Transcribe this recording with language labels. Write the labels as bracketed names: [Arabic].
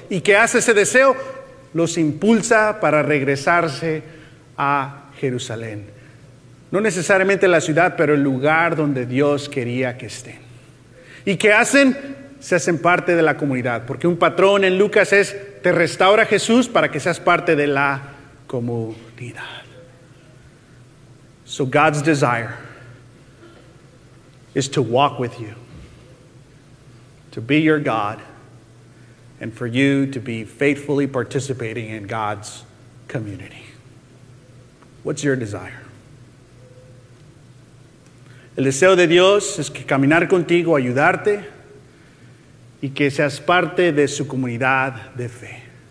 [Spanish] ¿Y qué hace ese deseo? Los impulsa para regresarse a Jerusalén. No necesariamente la ciudad, pero el lugar donde Dios quería que estén. ¿Y qué hacen? Se hacen parte de la comunidad. Porque un patrón en Lucas es, te restaura Jesús para que seas parte de la comunidad. [English] So God's desire is to walk with you, to be your God, and for you to be faithfully participating in God's community. What's your desire? [Spanish] El deseo de Dios es que caminar contigo, ayudarte, y que seas parte de su comunidad de fe.